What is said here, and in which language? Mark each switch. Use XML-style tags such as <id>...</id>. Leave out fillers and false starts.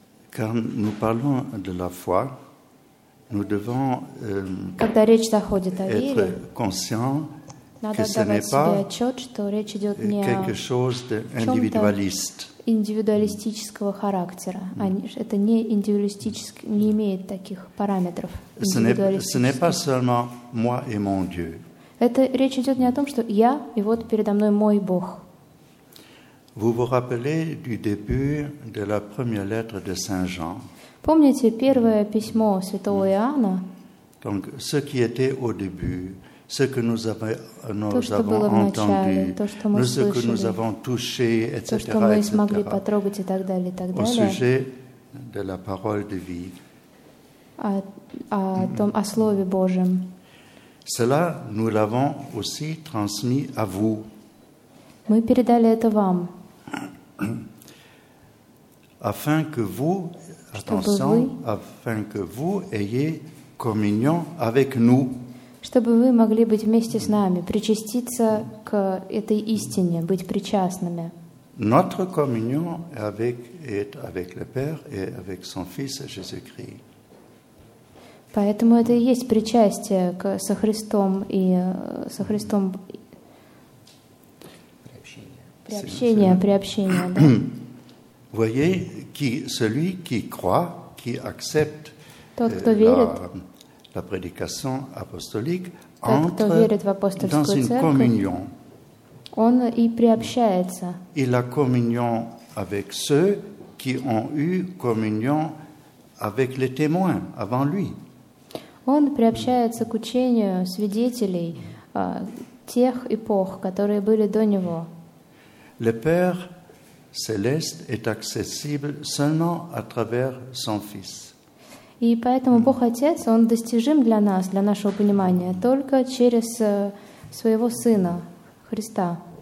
<fr>Quand nous parlons de la foi, nous devons</fr> <ru>Когда речь заходит о вере,</ru> <fr>être conscient que ce n'est pas</fr> <ru>отчет, что речь идет не</ru> <fr>quelque chose d'individualiste.</fr> <ru>Индивидуалистического характера. Они, это не индивидуалистически, не имеет таких параметров. Это речь идет не о том, что я, и вот передо мной мой Бог. Помните первое письмо святого Иоанна?</ru> <fr>Donc, ce qui était au début, ce que nous avons entendu, ce que nous avons touché, etc.</fr> <ru>То, что мы смогли потрогать, и так далее,</ru> <fr>au sujet de la parole de vie.</fr> <ru>О Слове Божьем.</ru> <fr>Cela, nous l'avons aussi transmis à vous.</fr> <ru>Мы передали это вам.</ru> <fr>Afin que vous, attention, afin que vous ayez communion avec nous.</fr> <ru>Чтобы вы могли быть вместе с нами, причаститься к этой истине, быть причастными.</ru> <fr>Notre communion est avec le Père et avec son Fils Jésus-Christ.</fr> <ru>Поэтому это и есть причастие к со Христом и со Христом. Приобщение, приобщение.</ru> <fr>Voyez qui celui qui croit, qui accepte.</fr> <ru>Тот, кто верит.</ru> <fr>La prédication apostolique entre dans une communion.</fr> <ru>Он и приобщается.</ru> <fr>Il a communion avec ceux qui ont eu communion avec les témoins avant lui.</fr> <ru>Он приобщается к учению свидетелей тех эпох, которые были до него.</ru> <fr>Le Père céleste est accessible seulement à travers son Fils.</fr> <ru>И поэтому Бог Отец, Он достижим для нас, для нашего понимания, только через Своего Сына, Христа.</ru>